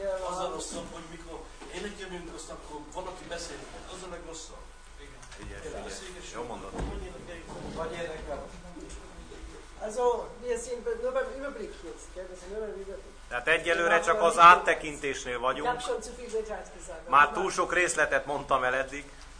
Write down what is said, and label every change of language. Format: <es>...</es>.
<hu>Az a rosszabb, hogy mikor én egy jövünk, azt akkor valaki beszél, az a legrosszabb. Igen. Igen. Jó mondat. Vagy érdekel.</hu> <de>Also, wir sind nur beim Überblick jetzt, gell? Wir sind nur beim Überblick.</de> <hu>Tehát egyelőre csak az áttekintésnél vagyunk. Már túl sok részletet mondtam el eddig.</hu>